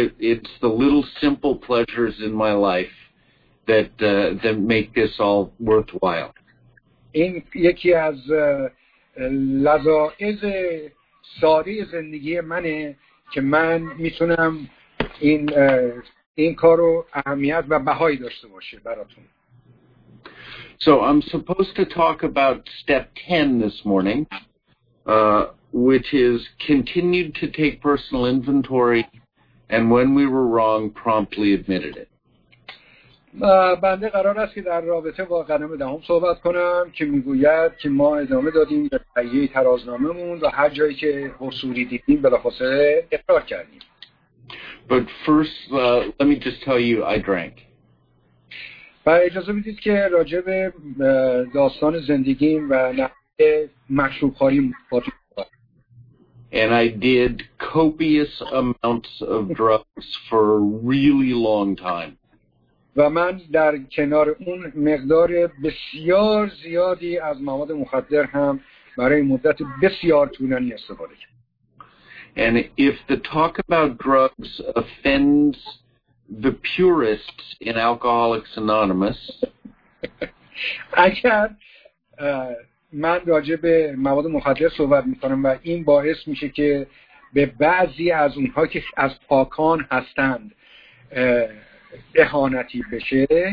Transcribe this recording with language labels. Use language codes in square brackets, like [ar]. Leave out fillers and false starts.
[en] It's the little simple pleasures in my life that make this all worthwhile. [fa] این یکی از لذایز ساده زندگی منه که من میتونم این کارو اهمیت و بهایی داشته باشه براتون. [en] So I'm supposed to talk about step 10 this morning, which is continued to take personal inventory and when we were wrong promptly admitted it. [fa] بنده قرار است که در رابطه با قدم دهم صحبت کنم که میگوید که ما ادامه دادیم به تهیه ترازنامه‌مون و هر جایی که قصوری دیدیم بلافاصله اقرار کردیم. [en] But first, let me just tell you I drank. [fa] بعد اجازه بدید که راجع به داستان زندگیم و نحوه مشروب‌خوری باهاتون صحبت کنم. [en] And I did copious amounts of drugs for a really long time. [fa] و من در کنار اون مقدار بسیار زیادی از مواد مخدر هم برای مدت بسیار طولانی استفاده کردم. [en] And if the talk about drugs offends the purists in Alcoholics Anonymous, [fa] اگر من راجع به مواد مخدر صحبت می‌کنم و این باعث میشه که به بعضی از اونها که از پاکان هستند اهانتی بشه.